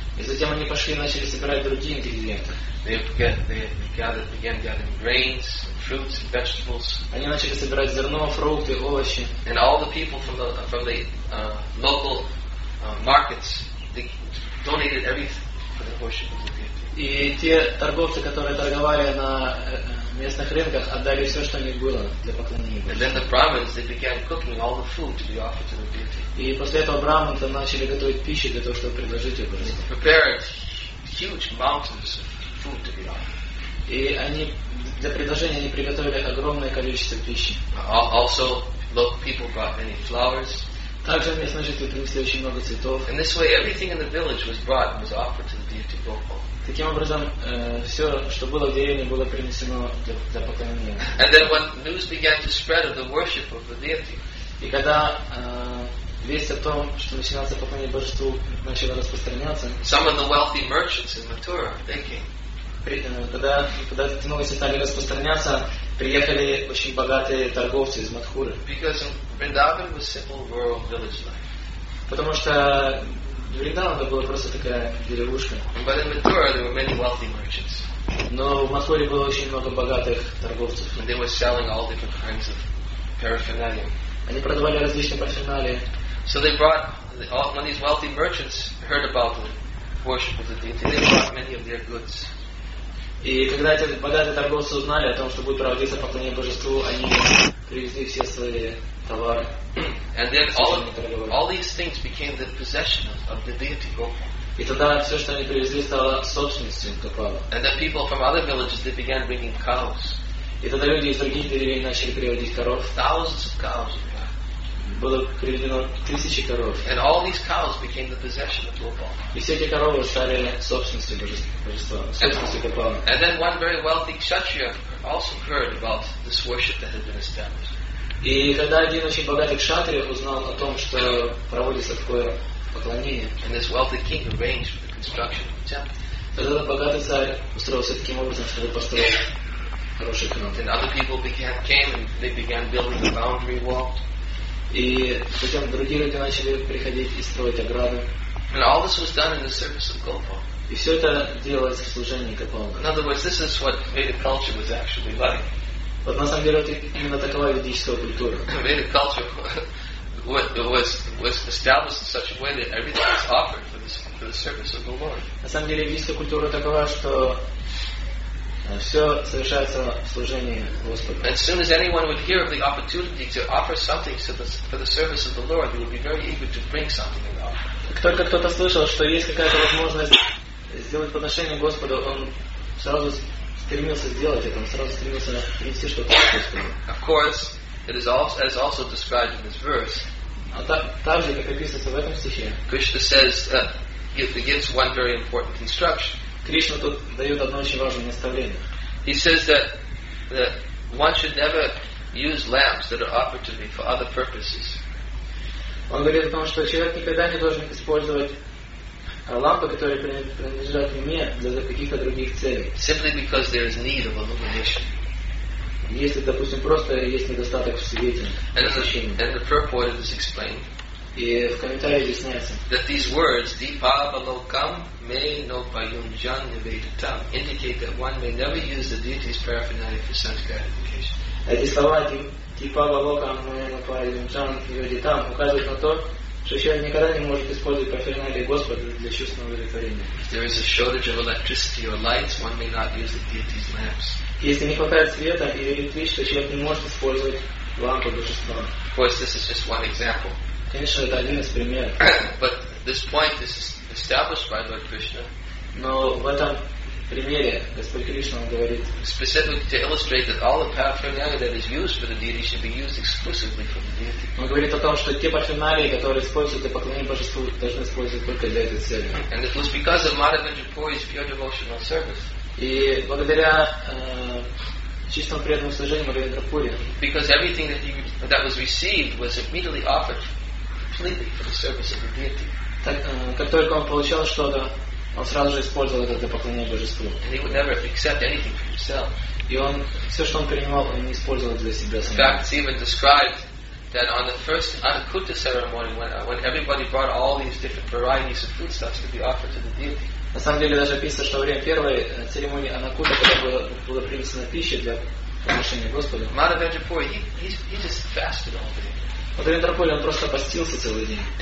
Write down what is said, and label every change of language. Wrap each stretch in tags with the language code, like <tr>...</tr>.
<ru>И затем они пошли и начали собирать другие ингредиенты.</ru> <en>They began gathering grains, fruits, and vegetables.</en> <ru>Они начали собирать зерно, фрукты, овощи.</ru> <en>And all the people from the local markets. They donated everything for the worship of the deity.</en> <ru>И те торговцы, которые торговали на местных рынках, отдали все, что у них было для поклонения Богу.</ru> <en>And then the brahmins they began cooking all the food to be offered to the deity.</en> <ru>И после этого брахманы начали готовить пищу для того, чтобы предложить ее Богу.</ru> <en>They prepared huge mountains of food to be offered.</en> <ru>И они для предложения они приготовили огромное количество пищи.</ru> <en>Also, local people brought many flowers.</en> <ru>Также местные жители принесли очень много цветов.</ru> <en>In this way, everything in the village was brought and was offered to the deity Boko.</en> <ru>Таким образом, все, что было в деревне, было принесено для поклонения.</ru> <en>And then when news began to spread of the worship of the deity.</en> <ru>И когда весть о том, что начинается поклонение божеству, начала распространяться.</ru> <en>Some of the wealthy merchants in Mathura, they came.</en> <ru>Когда эти новости стали распространяться, приехали очень богатые торговцы из Матхуры.</ru> <en>Because Vrindavan was simple rural village life.</en> <ru>Потому что Вриндаван это была просто такая деревушка.</ru> <en>But in Mathura there were many wealthy merchants.</en> <ru>Но в Матхуре было очень много богатых торговцев.</ru> <en>And they were selling all different kinds of paraphernalia.</en> <ru>Они продавали различные парфюмерии.</ru> <en>So they brought all when these wealthy merchants heard about the worship of the deity, they brought many of their goods.</en> <ru>И когда эти богатые торговцы узнали о том, что будет проводиться поклонение божеству, они привезли все свои товары.</ru> <en>And then all these things became the possession of the deity Gopala.</en> <ru>И тогда все, что они привезли, стало собственностью Гопала.</ru> <en>And then people from other villages they began bringing cows.</en> <ru>И тогда люди из других деревень начали приводить коров.</ru> <en>Thousands of cows.</en> <ru>Было приведено тысячи коров.</ru> <en>And all these cows became the possession of Gopala.</en> <ru>И все эти коровы стали собственностью божества, собственностью Гопала.</ru> <en>And then one very wealthy kshatriya also heard about this worship that had been established.</en> <ru>И тогда один очень богатый кшатрия узнал о том, что проводится такое поклонение.</ru> <en>And this wealthy king arranged for the construction of the temple.</en> <ru>Тогда богатый царь устроился таким образом, чтобы построить хороший храм.</ru> <en>Then other people came and they began building the boundary wall.</en> <ru>И затем другие люди начали приходить и строить ограды.</ru> <en>And all this was done in the service of Gopala.</en> <ru>И все это делалось в служении Гопала.</ru> <en>In other words, this is what Vedic culture was actually like.</en> <ru>Вот на самом деле это именно такова ведическая культура.</ru> <en>Vedic culture was established in such a way that everything was offered for the service of the Lord.</en> <ru>На самом деле ведическая культура такова, что все совершается в служении Господу.</ru> <en>As soon as anyone would hear of the opportunity to offer something for the service of the Lord, they would be very eager to bring something and offer.</en> <ru>Только кто-то слышал, что есть какая-то возможность сделать подношение Господу, он сразу стремился сделать это, он сразу стремился принести что-то Господу.</ru> <en>Of course, it is also, as also described in this verse.</en> <ru>А также, как описывается в этом стихе.</ru> <en>Krishna says he gives one very important instruction.</en> <ru>Кришна тут дает одно очень важное наставление.</ru> <en>He says that one should never use lamps that are offered to me for other purposes.</en> <ru>Он говорит о том, что человек никогда не должен использовать лампы, которые принадлежат мне, для каких-то других целей.</ru> <en>Simply because there is need of illumination.</en> <ru>Если, допустим, просто есть недостаток в свете.</ru> <en>And the purport is explained.</en> <ru>И в комментарии объясняется.</ru> <en>That these words,</en> <sa>Dipa Balokam Me No Payum Jan Nivedatam,</sa> <en>indicate that one may never use the deity's paraphernalia for such gratification.</en> <ru>Эти слова</ru> <sa>Dipa Balokam Me No Payum Jan Nivedatam</sa> <ru>указывают на то, что человек никогда не может использовать парафернали Господа для чувственного удовлетворения.</ru> <en>If there is a shortage of electricity or lights, one may not use the deity's lamps.</en> <ru>Если не хватает света или электричества, человек не может использовать лампы Божества.</ru> <en>Of course, this is just one example.</en> <ru>Конечно, это один из примеров.</ru> <en>But this point is established by Lord Krishna.</en> <ru>Но в этом примере Господь Кришна говорит.</ru> <en>Specifically to illustrate that all the paraphernalia that is used for the deity should be used exclusively for the deity.</en> <ru>Он говорит о том, что те парафернали, которые используются для поклонения Божеству, должны использоваться только для этой цели.</ru> <en>And it was because of Madhavendra Puri's pure devotional service.</en> <ru>И благодаря чистому преданному служению Мадхавендра Пури.</ru> <en>Because everything that was received was immediately offered. For the service of the deity.</en> <ru>Так, как только он получал что-то, он сразу же использовал это для поклонения Божеству.</ru> <en>And he would never accept anything for himself.</en> <ru>И он все, что он принимал, он не использовал для себя самого.</ru> <en>In fact, it's even described that on the first Ankuta ceremony, when everybody brought all these different varieties of foodstuffs to be offered to the deity.</en> <ru>На самом деле даже описано, что во время первой церемонии Анакута, когда была принесена пища для приношения Господу.</ru> <en>Madhavendra Puri, he just fasted all day.</en> <ru>Вот Мадхавендра Пури, он просто постился целый день.</ru>